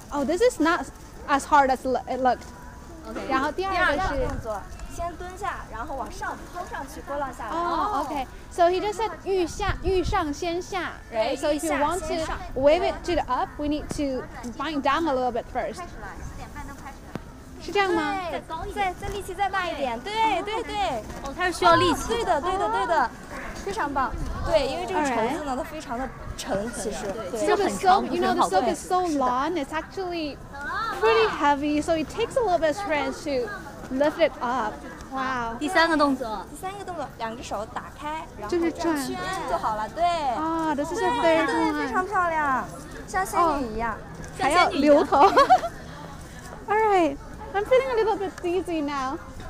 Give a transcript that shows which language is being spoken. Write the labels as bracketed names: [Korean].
[English] Oh, this is not as hard as it looked. Okay. [Chinese] 然后第二个是。先蹲下，然后往上抛上去，波浪下来。 [English] 哦 ，OK。So he just said [Chinese] 欲下欲上先下 [English] ，right？ So if you want to wave it to the up， we need to bind down a little bit first。 [Chinese] 开始了，四点半都开始了。是这样吗？再高一点，再力气再大一点。对对对。哦，它是需要力气。对的对的对的，非常棒。对，因为这个绳子呢，它非常的沉，其实。对，就很长， [English] you know the silk is so long， it's actually pretty heavy， so it takes a little bit of strength to。 Lift it up. Wow. [Chinese] 第三个动作。第三个动作，两只手打开，然后转圈就好了。对。啊，这是非常对，非常漂亮，像仙女一样，还要留头。 [English] All right, I'm feeling a little bit dizzy now.